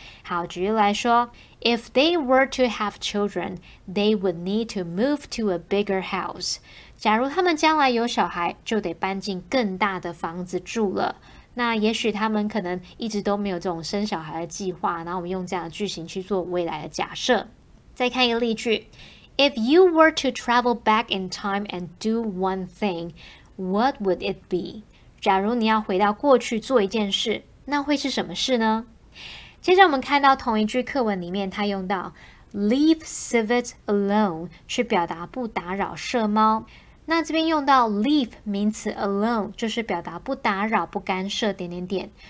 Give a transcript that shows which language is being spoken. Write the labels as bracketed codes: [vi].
[zh] 好，举例来说， [en] If they were to have children, they would need to move to a bigger house. [zh] 假如他们将来有小孩，就得搬进更大的房子住了。那也许他们可能一直都没有这种生小孩的计划，然后我们用这样的句型去做未来的假设。再看一个例句， [en] If you were to travel back in time and do one thing, what would it be? [zh] 假如你要回到过去做一件事，那会是什么事呢？接着我们看到同一句课文里面，他用到 [en] Leave civet alone [zh] 去表达不打扰麝猫。那这边用到 leave 名词 alone 就是表达不打扰不干涉点点点。